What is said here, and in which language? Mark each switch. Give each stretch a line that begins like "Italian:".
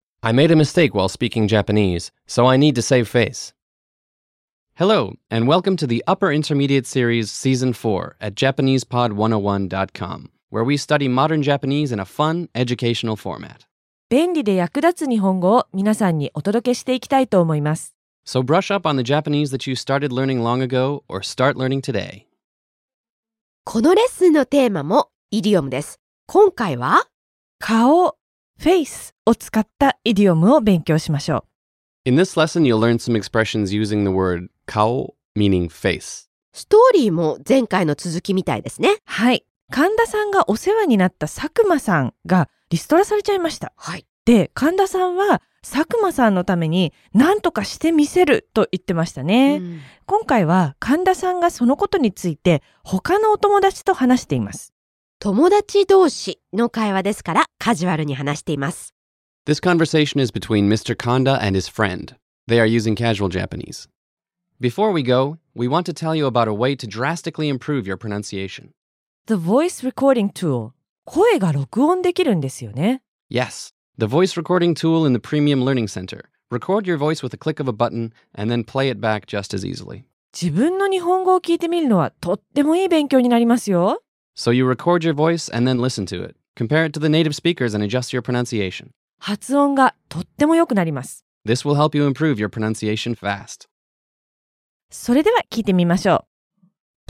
English: I made a mistake while speaking Japanese, so I need to save face. Hello, and welcome to the Upper Intermediate Series Season 4 at JapanesePod101.com, where we study modern Japanese in a fun, educational format.
Japanese: 便利で役立つ日本語を皆さんにお届けしていきたいと思います。
English: So brush up on the Japanese that you started learning long ago or start learning today.
Japanese: このレッスンのテーマもイディオムです。今回は顔、フェイスを使ったイディオムを勉強しましょう。
English: In this lesson, you'll learn some expressions using the word 顔, meaning face.
Japanese: ストーリーも前回の続きみたいですね。はい。神田さんがお世話になった佐久間さんがリストラされちゃいました。はい。で、神田さんは佐久間さんのために何とかしてみせると言ってましたね。うん。今回は神田さんがそのことについて他のお友達と話しています。友達同士の会話ですから、カジュアルに話しています。
English: This conversation is between Mr. Kanda and his friend. They are using casual Japanese. Before we go, we want to tell you about a way to drastically improve your pronunciation. The voice recording tool.
Japanese: 声が録音できるんですよね。
English: Yes. The voice recording tool in the Premium Learning Center. Record your voice with a click of a button and then play it back just as easily.
Japanese: 自分の日本語を聞いてみるのはとってもいい勉強になりますよ。
English: So you record your voice and then listen to it. Compare it to the native speakers and adjust your pronunciation.
Japanese: 発音がとっても良くなります。
English: This will help you improve your pronunciation fast.
Japanese: それでは聞いてみましょう。